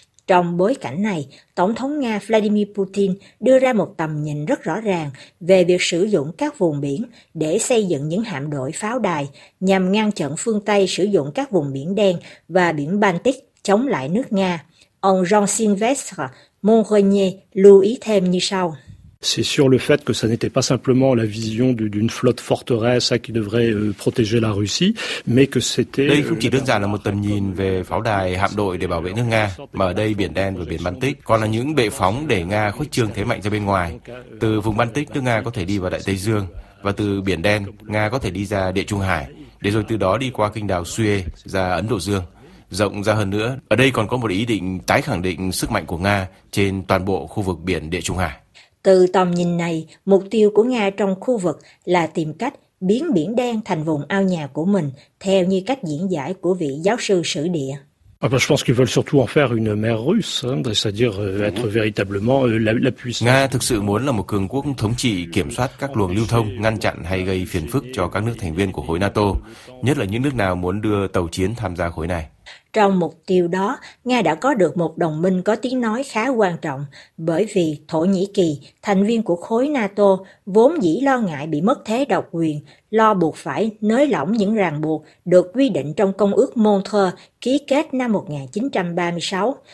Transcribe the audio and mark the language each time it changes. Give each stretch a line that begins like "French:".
Vietnamese: Trong bối cảnh này, Tổng thống Nga Vladimir Putin đưa ra một tầm nhìn rất rõ ràng về việc sử dụng các vùng biển để xây dựng những hạm đội pháo đài nhằm ngăn chặn phương Tây sử dụng các vùng biển Đen và biển Baltic chống lại nước Nga. Ông Jean-Sylvestre Monrenier lưu ý thêm như sau.
French: C'est sur le fait que ça n'était pas simplement la vision d'une flotte forteresse qui devrait protéger la Russie, mais que c'était.
Vietnamese: Đây không chỉ đơn giản là một tầm nhìn về pháo đài, hạm đội để bảo vệ nước Nga, mà ở đây Biển Đen và Biển Baltic còn là những bệ phóng để Nga khuếch trương thế mạnh ra bên ngoài. Từ vùng Baltic, nước Nga có thể đi vào Đại Tây Dương, và từ Biển Đen, Nga có thể đi ra Địa Trung Hải, để rồi từ đó đi qua kênh đào Suez ra Ấn Độ Dương. Rộng ra hơn nữa, ở đây còn có một ý định tái khẳng định sức mạnh của Nga trên toàn bộ khu vực biển Địa Trung Hải. Từ tầm nhìn này, mục tiêu của Nga trong khu vực là tìm cách biến Biển Đen thành vùng ao nhà của mình, theo như cách diễn giải của vị giáo sư sử địa.
French: Je pense qu'ils veulent surtout en faire une mer russe, hein, c'est-à-dire être véritablement la puissance.
Vietnamese: Nga thực sự muốn là một cường quốc thống trị, kiểm soát các luồng lưu thông, ngăn chặn hay gây phiền phức cho các nước thành viên của khối NATO, nhất là những nước nào muốn đưa tàu chiến tham gia khối này. Trong mục tiêu đó, Nga đã có được một đồng minh có tiếng nói khá quan trọng, bởi vì Thổ Nhĩ Kỳ, thành viên của khối NATO, vốn dĩ lo ngại bị mất thế độc quyền, lo buộc phải nới lỏng những ràng buộc được quy định trong Công ước Montreux ký kết năm 1936.